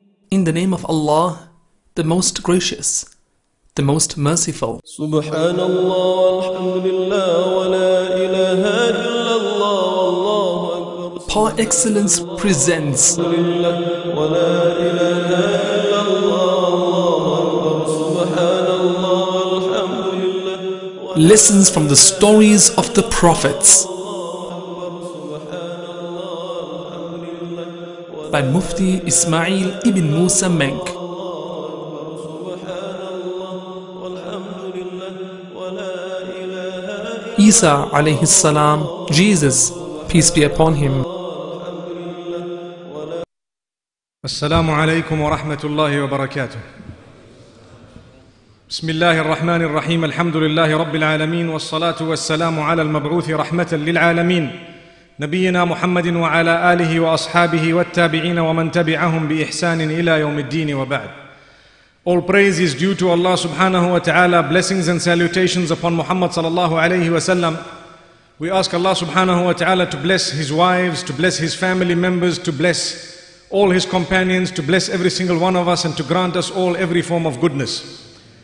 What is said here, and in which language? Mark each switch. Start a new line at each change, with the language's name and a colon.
English: In the name of Allah, the Most Gracious, the Most Merciful.
Arabic: سبحان الله والحمد لله ولا إله إلا الله والله أكبر.
English: Par excellence presents. Lessons from the stories of the prophets by Mufti Ismail ibn Musa Menk. Isa alayhi salam, Jesus, peace be upon him.
Arabic: Assalamu alaykum wa rahmatullahi wa barakatuh. بسم الله الرحمن الرحيم الحمد لله رب العالمين والصلاة والسلام على المبعوث رحمة للعالمين نبينا محمد وعلى آله وأصحابه والتابعين ومن تبعهم بإحسان إلى يوم الدين وبعد.
English: All praise is due to Allah subhanahu wa ta'ala. Blessings and salutations upon Muhammad sallallahu alayhi wa sallam. We ask Allah subhanahu wa ta'ala to bless his wives, to bless his family members, to bless all his companions, to bless every single one of us, and to grant us all every form of goodness.